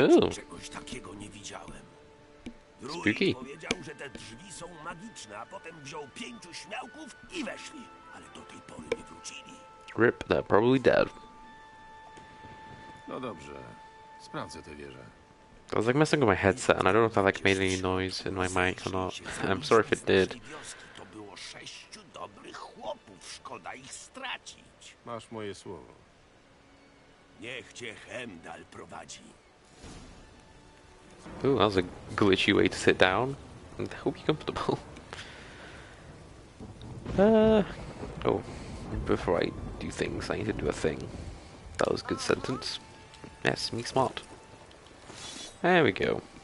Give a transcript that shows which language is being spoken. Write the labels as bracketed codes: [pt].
[pl] Czegoś takiego nie widziałem. [en] Spooky. [pl] Powiedział, że te drzwi są magiczne, a potem wziął pięciu śmiałków i weszli, ale do tej pory nie wrócili. [en] Rip, they're probably dead. [pl] No dobrze, sprawdzę tę wieżę. [en] I was like messing with my headset and I don't know if that like made any noise in my mic or not. I'm sorry if it did. [pl] To było sześciu dobrych chłopów, szkoda ich stracić. Masz moje słowo. Niech cię Hemdal prowadzi. [en] Ooh, that was a glitchy way to sit down. I hope you're comfortable. Oh, before I do things, I need to do a thing. That was a good sentence. Yes, me smart. There we go.